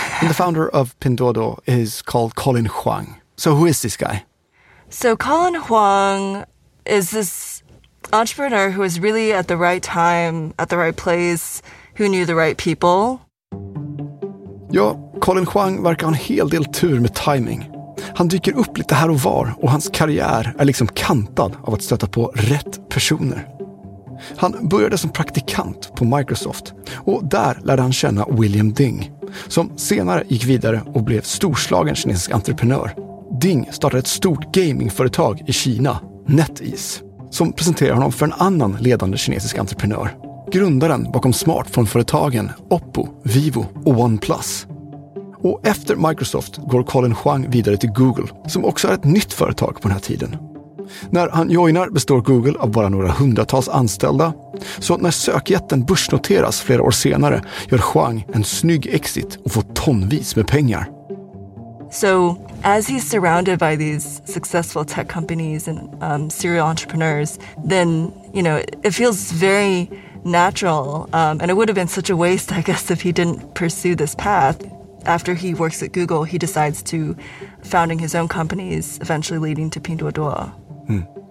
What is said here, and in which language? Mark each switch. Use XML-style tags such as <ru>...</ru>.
<en>And the founder of Pinduoduo is called Colin Huang. So who is this guy? So Colin Huang is this entrepreneur who is really at the right time, at the right place, who knew the right people.</en> <sv>Ja, Colin Huang verkar ha en hel del tur med timing. Han dyker upp lite här och var, och hans karriär är liksom kantad av att stöta på rätt personer. Han började som praktikant på Microsoft, och där lärde han känna William Ding, som senare gick vidare och blev storslagen kinesisk entreprenör. Ding startade ett stort gamingföretag i Kina, NetEase, som presenterar honom för en annan ledande kinesisk entreprenör, grundaren bakom smartphoneföretagen Oppo, Vivo och OnePlus. Och efter Microsoft går Colin Huang vidare till Google, som också är ett nytt företag på den här tiden. När han joinar består Google av bara några hundratals anställda. Så när sökjätten börsnoteras flera år senare gör Huang en snygg exit och får tonvis med pengar.</sv> <en>So as he's surrounded by these successful tech companies and serial entrepreneurs, then, you know, it feels very natural. And it would have been such a waste, I guess, if he didn't pursue this path. After he works at Google, he decides to founding his own companies, eventually leading to Pinduoduo. Hmm.</en>